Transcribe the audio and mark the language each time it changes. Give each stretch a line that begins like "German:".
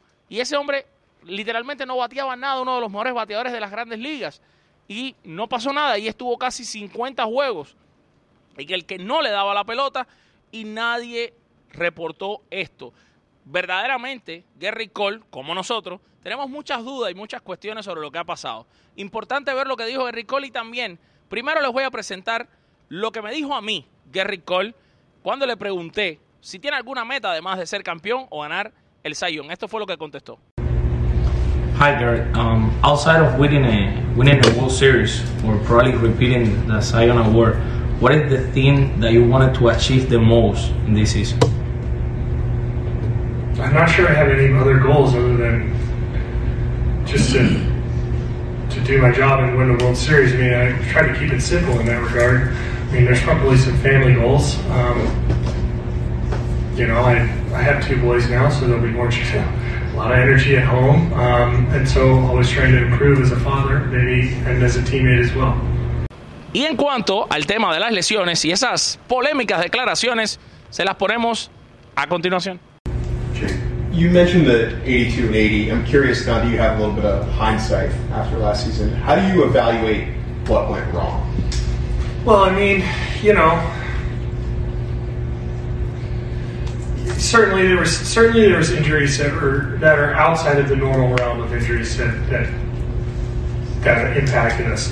Spanish: y ese hombre literalmente no bateaba nada, uno de los mejores bateadores de las Grandes Ligas, y no pasó nada, y estuvo casi 50 juegos, y que el que no le daba la pelota, y nadie reportó esto. Verdaderamente, Gerrit Cole, como nosotros, tenemos muchas dudas y muchas cuestiones sobre lo que ha pasado. Importante ver lo que dijo Gerrit Cole y también, primero les voy a presentar lo que me dijo a mí Gerrit Cole cuando le pregunté si tiene alguna meta además de ser campeón o ganar el Cy Young. Esto fue lo que contestó.
English: Hi Gerrit, outside of winning a World Series or probably repeating the Cy Young Award, what is the thing that you wanted to achieve the most in this season? I'm not sure I had any other goals other than just to do my job and win the World Series. I mean, I try to keep it simple in that regard. I mean, there's probably some family goals. You know, I have two boys now, so there'll be more to do. A lot of energy at home, and so always trying to improve as a father, maybe, and as a teammate as well.
Spanish: Y en cuanto al tema de las lesiones y esas polémicas declaraciones, se las ponemos a continuación.
English: You mentioned the 82 and 80. I'm curious now that you have a little bit of hindsight after last season, how do you evaluate what went wrong? Well, I mean, you know, certainly there was injuries that are outside of the normal realm of injuries that impacted us.